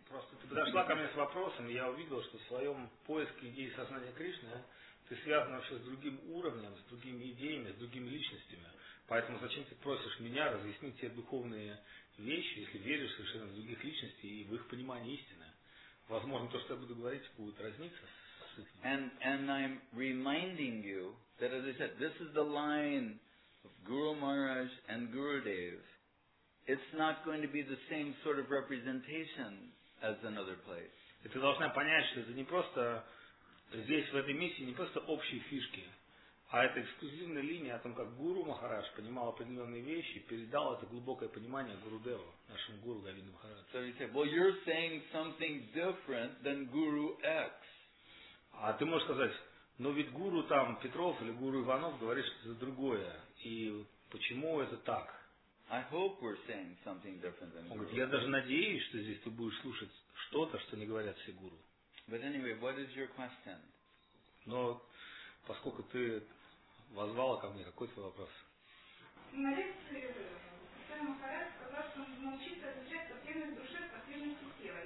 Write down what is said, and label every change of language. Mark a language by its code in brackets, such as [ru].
[ru] Просто ты подошла ко мне с вопросом, и я увидел, что в своем поиске идеи сознания Кришны ты связан вообще с другим уровнем, с другими идеями, с другими личностями. Поэтому зачем ты просишь меня разъяснить тебе духовные вещи, если веришь совершенно в других личностей и в их понимание истины? Возможно, то, что я буду говорить, будет разниться с этим. [en] And I'm reminding you that, as I said, this is the line of Guru Maharaj and Gurudev. It's not going to be the same sort of representation as another place. [ru] И ты должна понять, что это не просто здесь, в этой миссии, не просто общие фишки, а это эксклюзивная линия о том, как Гуру Махарадж понимал определенные вещи и передал это глубокое понимание Гуру Деву, нашему Гуру Говинду Махараджу. [en] So you say, well, you're saying something different than Guru X. [ru] А ты можешь сказать, ну ведь Гуру там Петров или Гуру Иванов говорит что-то другое. И почему это так? [en] I hope we're saying something different than Guru. [ru] Он говорит, я даже надеюсь, что здесь ты будешь слушать что-то, что не говорят все гуру. [en] But anyway, what is your question? [ru] Но поскольку ты воззвала ко мне, какой твой вопрос? На лекции Сэр Махарадж сказал, что он научится отвечать по теме души, по сведению тела.